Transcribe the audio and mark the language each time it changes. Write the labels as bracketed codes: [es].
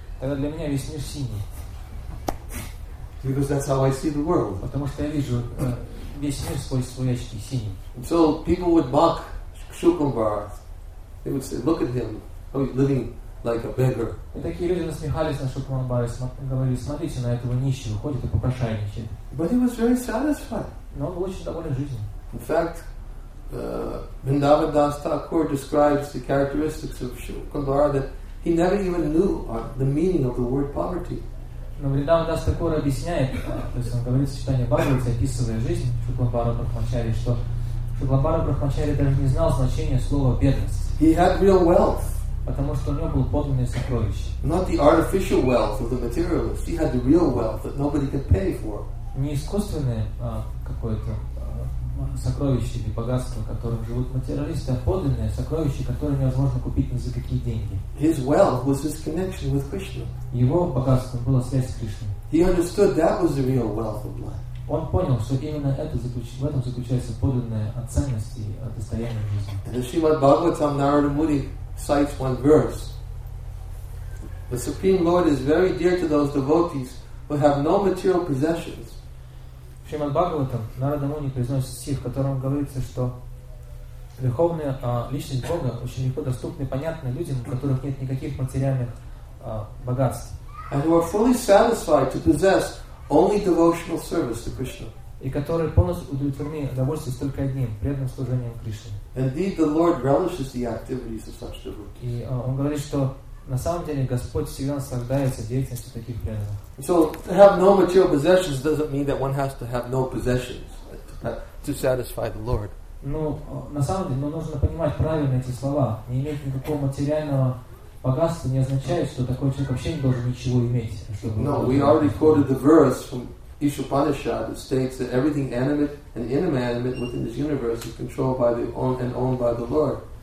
[ru] Тогда для меня весь мир синий. [en] Because that's how I see the world. [ru] Потому что я вижу весь мир сквозь свои очки синим. [en] So people would mock Shukumbhara. They would say, "Look at him, how he's living like a beggar." [ru] И такие люди насмехались на Шукумбхару, говорили: "Смотрите на этого нищего, ходит и попрошайничает." [en] But he was very satisfied. [ru] Но он был очень доволен жизнью. [en] In fact, Vrindavan Das Thakur describes the characteristics of Shukumbhara that he never even knew the meaning of the word poverty. [ru] Но Вриндаван Дас Такур объясняет, то есть он говорит сочетание Бхагавати, описывая жизнь Шукламбара Брахмачари, что Шукламбара Брахмачари даже не знал значения слова бедность. [en] He had real wealth. [ru] Потому что у него было подлинное сокровище. [en] Not the artificial wealth of the materialist. He had the real wealth that nobody could pay for. [ru] Не искусственное какое-то сокровище или богатство, которым живут материалисты, а подлинное сокровище, которое невозможно купить ни за какие деньги. [en] His wealth was his connection with Krishna. [ru] Его богатство было связь с Кришной. [en] He understood that was the real wealth of life. [ru] Он понял, что именно это в этом заключается подлинная ценность и достояние жизни. [en] And Srimad Bhagavatam Narada Muni cites one verse. The Supreme Lord is very dear to those devotees who have no material possessions. [ru] Шримад Бхагаватам Нарада Муни произносит стих, в котором говорится, что верховная личность Бога очень легко доступна и понятна людям, у которых нет никаких материальных богатств. [en] And who are fully satisfied to possess only devotional service to Krishna. [ru] И которые полностью удовлетворены удовольствием только одним преданным служением Кришне. [en] Indeed, the Lord relishes the activities of such devotees. [ru] И он говорит, что на самом деле Господь всегда наслаждается деятельностью таких преданных. [en] So to have no material possessions doesn't mean that one has to have no possessions to satisfy the Lord. [ru] Ну, на самом деле, нужно понимать правильно эти слова. Не иметь никакого материального богатства не означает, что такой человек вообще не должен ничего иметь. [en] No, we already quoted the verse from Ishupanishad that states that everything animate and inanimate within this universe is controlled by the own and owned by the Lord.